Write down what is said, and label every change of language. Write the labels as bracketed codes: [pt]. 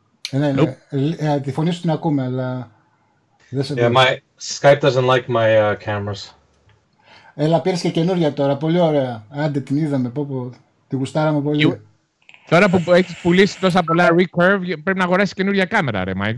[el] Ναι, τη φωνή σου την ακούμε, αλλά... [en] Yeah, my Skype doesn't like my cameras. [el] Έλα, πήρες και καινούργια τώρα, πολύ ωραία. Άντε, την είδαμε, πω, τη γουστάραμε πολύ. Τώρα που έχεις πουλήσει τόσα πολλά Recurve, πρέπει να αγοράσεις καινούργια κάμερα, ρε Μάικ.